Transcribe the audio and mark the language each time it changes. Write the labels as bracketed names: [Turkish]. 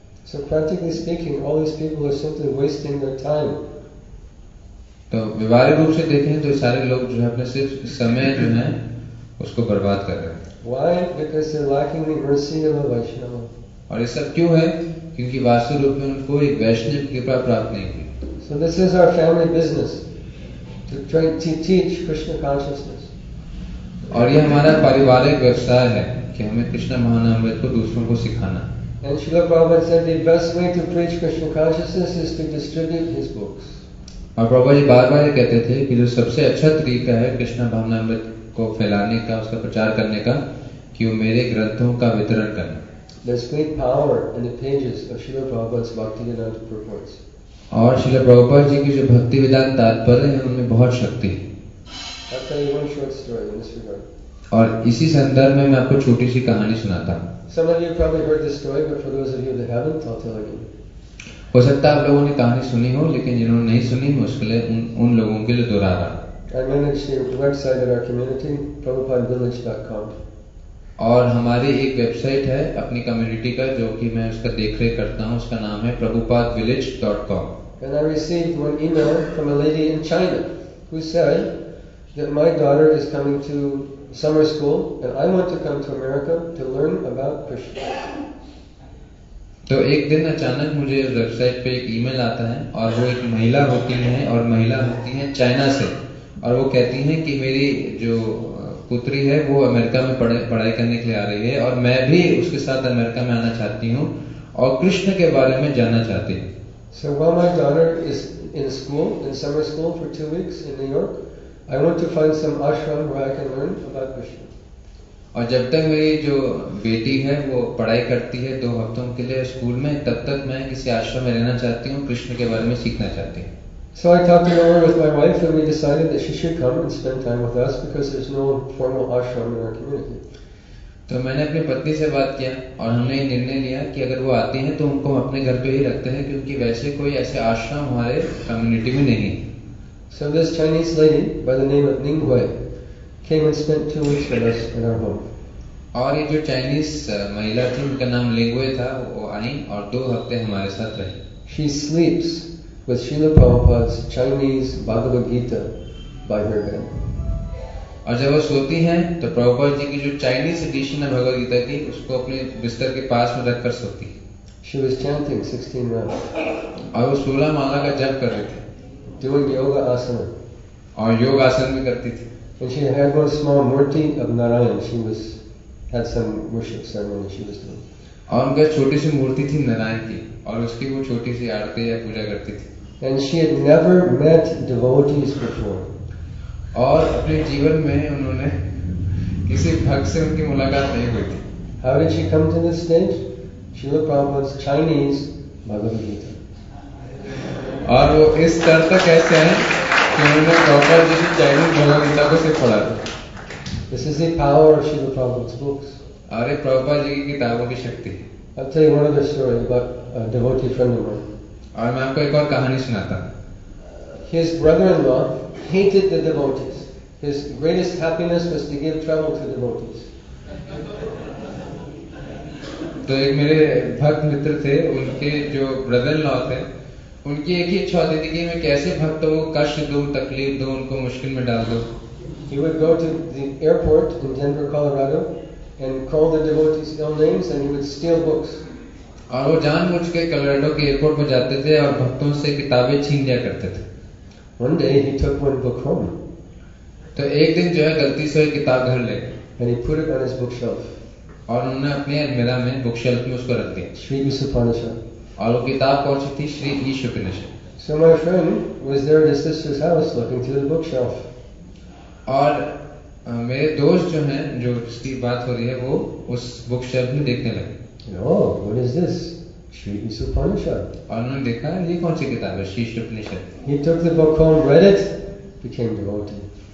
[English] So practically speaking, all these people are simply wasting their time. [Hindi] तो व्यवहारिक रूप से देखें तो सारे लोग जो है अपने सिर्फ समय जो है उसको बर्बाद कर रहे हैं. [English] Why? Because they're lacking the mercy of a Vaishnava. [Hindi] और ये सब क्यों है? क्योंकि वास्तव रूप में उनको एक वैष्णव कृपा प्राप्त नहीं हुई. [English] So this is our family business. To try to teach Krishna consciousness. [Hindi] और ये हमारा पारिवारिक व्यवसाय है कि हमें कृष्ण महानामृत को दूसरों को सिखाना. [English] And Srila Prabhupada said the best way to preach Krishna consciousness is to distribute his books. [Hindi] और प्रभुपाद जी बार-बार ये कहते थे कि जो सबसे अच्छा तरीका है कृष्ण भावनामृत को फैलाने का, उसका प्रचार करने का, कि वो मेरे ग्रंथों का वितरण करना. [English] There's great power in the pages of Srila Prabhupada's Bhaktivedanta purports. [Hindi] और श्रील प्रभुपाद जी की जो भक्ति विदान तात्पर्य है उनमें बहुत शक्ति है. [English] I'll tell you one short story in this regard. [Hindi] और इसी संदर्भ में मैं आपको छोटी सी कहानी सुनाता हूँ. [English] Some of you probably heard this story, but for those of you that haven't, I'll tell again. [Hindi] हो सकता है आप लोगों ने कहानी सुनी हो, लेकिन जिन्होंने नहीं सुनी मुश्किल है उन लोगों के लिए दोहरा रहा. [English] I manage the website of our community, prabhupadvillage.com. [Hindi] और हमारी एक वेबसाइट है अपनी कम्युनिटी का जो कि मैं उसका देखरेख करता हूँ, उसका नाम है prabhupadvillage.com. [English] And I received one email from a lady in China who said that my daughter is coming to summer school and I want to come to America to learn about Krishna. [Hindi] तो एक दिन अचानक मुझे website पे एक email आता है और वो एक महिला होती है और महिला होती है चाइना से और वो कहती है कि मेरी जो पुत्री है वो अमेरिका में पढ़ाई करने के लिए आ रही है और मैं भी उसके साथ अमेरिका में आना चाहती हूँ और कृष्ण के बारे में जानना चाहती हूँ. [English] So while my daughter is in school, in summer school for 2 weeks in New York, I want to find some ashram where I can learn about Krishna. [Hindi] और जब तक मेरी जो बेटी है वो पढ़ाई करती है 2 हफ्तों के लिए स्कूल में, तब तक मैं किसी आश्रम में रहना चाहती हूँ, कृष्ण के बारे में सीखना चाहती हूँ. [English] So I talked it over with my wife and we decided that she should come and spend time with us because there's no formal ashram in our community. [Hindi] तो मैंने अपनी पत्नी से बात किया और हमने निर्णय लिया कि अगर वो आती हैं तो उनको हम अपने घर पे ही रखते हैं क्योंकि वैसे कोई ऐसे आश्रम हमारे कम्युनिटी में नहीं. [English] So this Chinese lady by the name of Ning Hui came and spent 2 weeks with us in our home. [Hindi] और ये जो चाइनीज महिला थी उनका नाम लिंग हुए था, वो आई और 2 हफ्ते हमारे साथ रहे. [English] She sleeps with Srila Prabhupada's Chinese Bhagavad Gita by her bed. [Hindi] और जब वो सोती हैं तो प्रभुपाद जी की जो चाइनीज एडिशन है भगवद गीता की उसको अपने बिस्तर के पास में रखकर सोती. [English] She was chanting 16 rounds. [Hindi] और वो 16 माला का जप कर रही थी. [English] Doing yoga asana. [Hindi] और योग आसन में करती थी. [English] And she had a small murti of Narayan. She was had some worship ceremony she was doing. [Hindi] और उनका छोटी सी मूर्ति थी नारायण की और उसकी वो छोटी सी आरती या पूजा करती थी. [English] And she had never met devotees before. [Hindi] और अपने जीवन में उन्होंने किसी भक्त से उनकी मुलाकात नहीं हुई थी. [English] How did she come to this stage? Srila Prabhupada's Chinese Bhagavad Gita. [Hindi] और वो इस स्तर तक ऐसे हैं कि उन्होंने प्रॉपर जैसे चाइनीज भगवद गीता को से पढ़ा था. [English] This is the power of Srila Prabhupada's books. [Hindi] अरे प्रभुपाद जी की किताबों की शक्ति. [English] I'll tell you one other story about a devotee friend of mine. [Hindi] और मैं आपको एक और कहानी सुनाता. [English] His brother-in-law hated the devotees. His greatest happiness was to give trouble to devotees. [Hindi] तो एक मेरे भक्त मित्र थे, उनके जो brother-in-law थे, उनकी एक ही इच्छा होती थी कि मैं कैसे भक्तों को कष्ट दूँ, तकलीफ दूँ, उनको मुश्किल में डाल दूँ. [English] He would go to the airport in Denver, Colorado, and call the devotees' ill names, and he would steal books. [Hindi] और वो जानबूझकर कोलोराडो के एयरपोर्ट में जाते थे और भक्तों से किताबें छीन लिया करते थे. [English] One day he took one book home. [Hindi] तो एक दिन जो है गलती से एक किताब घर ले. [English] And he put it on his bookshelf. [Hindi] और उन्होंने अपने अलमीरा में बुकशेल्फ में उसको रख दिया. श्री विश्वपानिषद. और वो किताब कौन सी थी? श्री ईश उपनिषद. [English] So my friend was there at his sister's house looking through the bookshelf. [Hindi] और मेरे दोस्त जो हैं, जो इसकी बात हो रही है, वो उस बुकशेल्फ में देखने लगे. [English] Oh, what is this? Shri Upanishad. [Hindi] और उन्होंने देखा ये कौन सी किताब है? शीर्ष उपनिषद. [English] He took the book home, read it, became devoted.